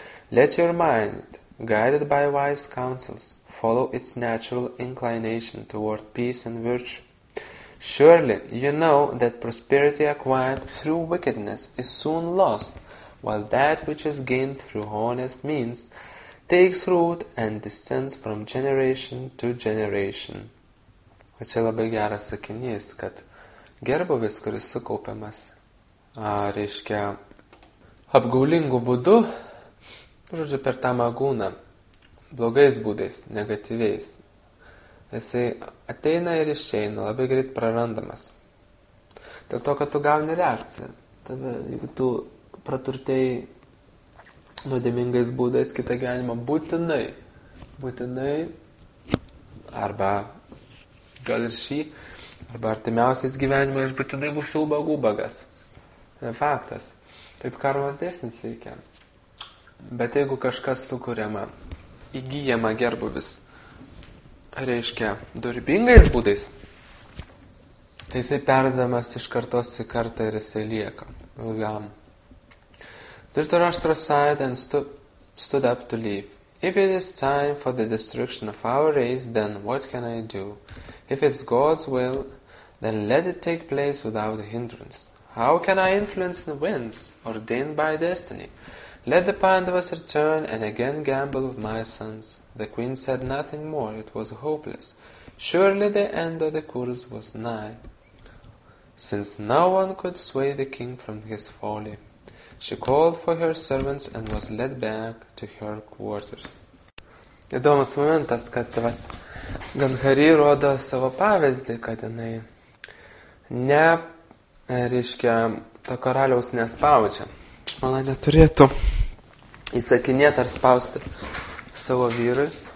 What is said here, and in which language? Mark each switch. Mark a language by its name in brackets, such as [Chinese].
[English] Let your mind, guided by wise counsels, follow its natural inclination toward peace and virtue. Surely you know that prosperity acquired through wickedness is soon lost, while that which is gained through honest means takes root and descends from generation to generation. [Lithuanian] O čia labai geras sakinys, kad gerbuvis, kuris sukaupiamas, reiškia, apgaulingų būdų, žodžiu, per tą magūną, blogais būdais, negatyviais, jisai ateina ir išeina, labai greit prarandamas. Dėl to, kad tu gauni reakciją. Tave, jeigu tu praturtėjai nuodėmingais būdais kitą gyvenimą, būtinai, arba gal ir šį, arba artimiausiais gyvenimais, būtinai bus ubagų ubagas. Faktas. Taip karmos dėsnis veikia. Bet jeigu kažkas sukuriama, įgyjama gerbuvis, reiškia, dorybingais būdais, tai jisai perdamas iš kartos į kartą ir jisai lieka ilgam. [English] Dritarashtra sighed and stood up to leave. If it is time for the destruction of our race, then what can I do? If it's God's will, then let it take place without hindrance. How can I influence the winds ordained by destiny? Let the Pandavas return and again gamble with my sons. The queen said nothing more. It was hopeless. Surely the end of the Kurus was nigh, since no one could sway the king from his folly. She called for her servants and was led back to her quarters. [Lithuanian] Įdomus momentas, kad va, Gandhari rodo savo pavyzdį, kad jinai ne, reiškia, to karaliaus nespaudžia. Mano neturėtų įsakinėti ar spausti savo vyrui.